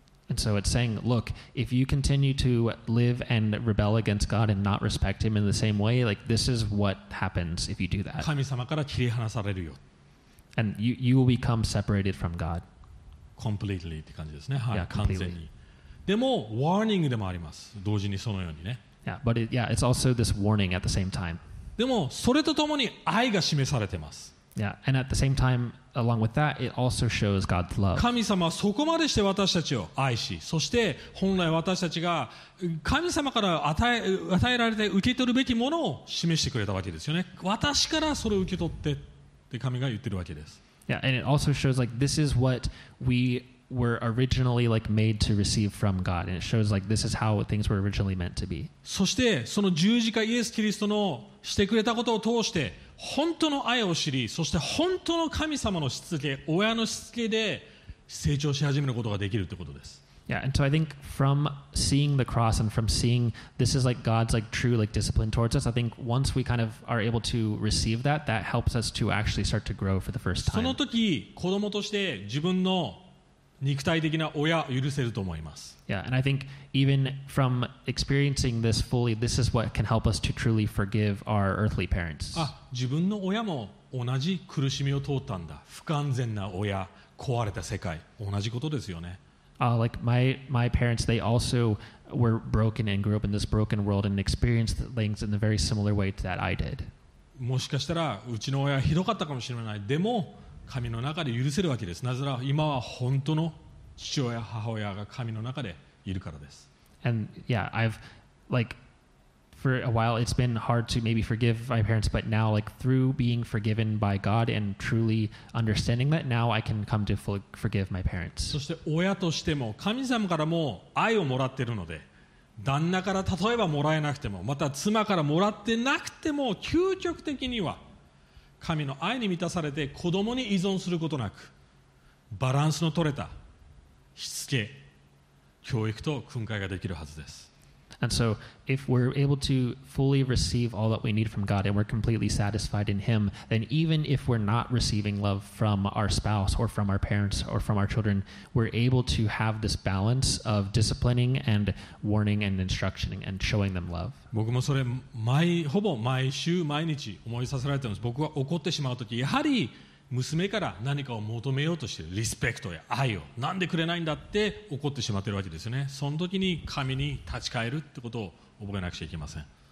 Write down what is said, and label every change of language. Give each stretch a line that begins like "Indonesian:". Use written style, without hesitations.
English: And so it's saying, look, if you continue to live and rebel against God and not respect Him in the same way, like this is what happens if you do that.
Japanese: 神様から切り離されるよ。
English: And you will become separated from God. Completely
Japanese: って感じですね。はい、
English: yeah, completely.
Japanese: 完全に。でも、
English: warning
Japanese: でもあります。同時にそのようにね。
English: Yeah, but it's also this warning at the same time.
Japanese: でも、それとともに愛が示されてます。
English: Yeah, and at the same time, along with that, it also shows God's love.
Japanese: 神様はそこまでして私たちを愛し、そして本来私たちが神様から与えられて受け取るべきものを示してくれたわけですよね。私からそれを受け取ってって神が言ってるわけです。
English: Yeah, and it also shows like this is what we were originally like made to receive from God, and it shows like this is how things were originally meant to be.
Japanese: そしてその十字架イエス・キリストのしてくれたことを通して。本当の愛を知り、そして本当の神様のしつけ、親のしつけで成長し始めることができるということです。
English: Yeah, and so I think from seeing the cross and from seeing this is like God's like true like discipline towards us, I think once we kind of are able to receive that, that helps us to actually start to grow for the first time.
Japanese: その時、子供として自分の肉体的な親を許せると思います。
English: Yeah, and I think even from experiencing this fully, this is what can help us to truly forgive our earthly parents.
Japanese: あ、自分の親も同じ苦しみを通ったんだ。不完全な親、壊れた世界、同じことですよね。
English: Like my parents, they also were broken and grew up in this broken world and experienced things in a very similar way that I did.
Japanese: もしかしたらうちの親はひどかったかもしれない。でも神の中で許せるわけです。なぜなら今は本当の父親母親が神の中でいるからです。
English: And yeah, I've like for a while it's been hard to maybe forgive my parents, but now like through being forgiven by God and truly understanding that, now I can come to forgive my parents.
Japanese: そして親としても神様からも愛をもらっているので、旦那から例えばもらえなくても、また妻からもらってなくても究極的には。神の愛に満たされて子供に依存することなくバランスの取れたしつけ教育と訓戒ができるはずです。
English: And so, if we're able to fully receive all that we need from God and we're completely satisfied in Him, then even if we're not receiving love from our spouse or from our parents or from our children, we're able to have this balance of disciplining and warning and instructioning and showing them love.
Japanese: 僕もそれ、ほぼ毎週、毎日思いさせられています。僕は怒ってしまうとき、やはり娘から何かを求めようとしてリスペクトや愛をなんでくれないんだって怒ってしまってるわけですよね。その時に神に立ち返るってことを覚えなくちゃいけません。